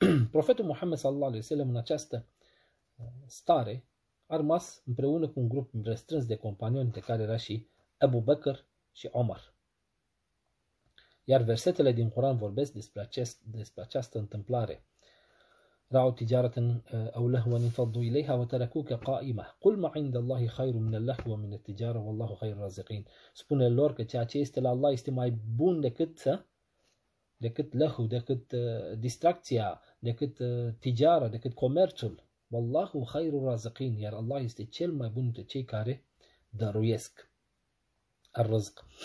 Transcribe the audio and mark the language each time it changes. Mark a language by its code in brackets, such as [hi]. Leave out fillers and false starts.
[ro] Profetul Muhammad sallallahu alaihi wasallam, în această stare, a rămas împreună cu un grup restrâns de companioni, de care era și Abu Bakr și Omar. Iar versetele din Coran vorbesc despre această întâmplare. [ar] رأوا تجارة أو لهوا انفضوا إليها وتركوك قائمة قل ما عند الله خير من اللهو ومن التجارة والله خير الرازقين. [ro] Spune lor că ceea ce este la Allah este mai bun decât lehu, decât distracția, decât tijara, decât comerțul. [ar] Wallahu khairul razaqin, [ro] iar Allah este cel mai bun dintre cei care dăruiesc ar-râzq.